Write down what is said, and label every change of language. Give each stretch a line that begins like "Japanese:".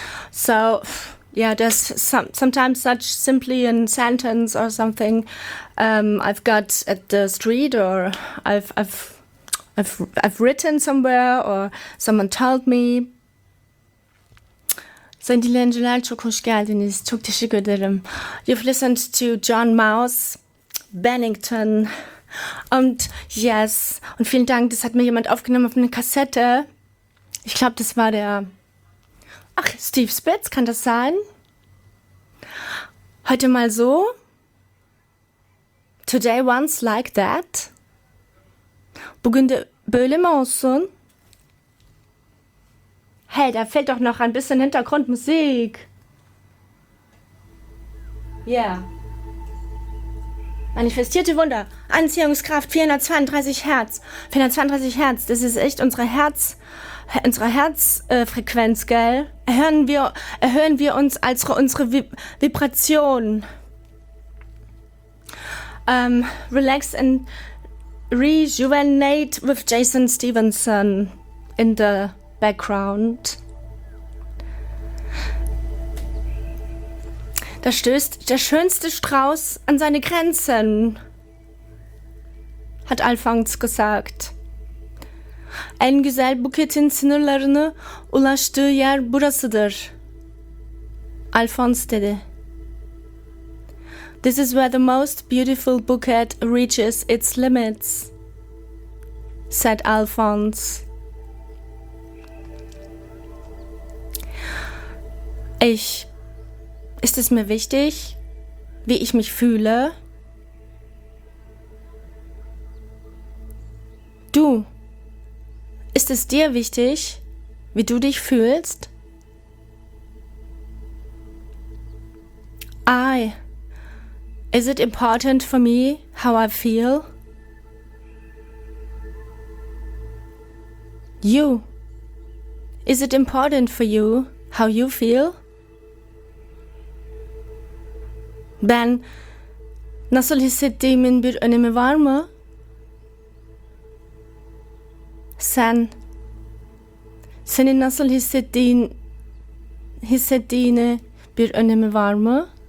English: So yeah, there's sometimes such simply in sentence or something I've got at the street or I've written somewhere or someone told me. You've listened to John Mouse, Bennington.
German: Und yes, und vielen Dank, das hat mir jemand aufgenommen auf eine Kassette. Ich glaube, das war der, ach, Steve Spitz, kann das sein? Heute mal so.
English: Today once like that.
Turkish: Bugün de böyle mi olsun?
German: Hey, da fehlt doch noch ein bisschen Hintergrundmusik. Yeah. Manifestierte Wunder. Anziehungskraft 432 Hertz. 432 Hertz, das ist echt unsere Herzfrequenz, gell? Erhören wir uns als unsere Vibration.
English: Relax and rejuvenate with Jason Stevenson in the background.
German: Da stößt der schönste Strauß an seine Grenzen. hat Alfons gesagt.
Turkish: En güzel buketin sınırlarını ulaştığı yer burasıdır, Alfons dedi.
English: This is where the most beautiful bouquet reaches its limits, said Alfons.
German: Ist es mir wichtig, wie ich mich fühle? Du, ist es dir wichtig, wie du dich fühlst?
English: I, is it important for me how I feel? You, is it important for you how you feel?
Turkish: Ben nasıl hissettiğimin bir önemi var mı? Senin nasıl hissettiğine bir önemi var mı?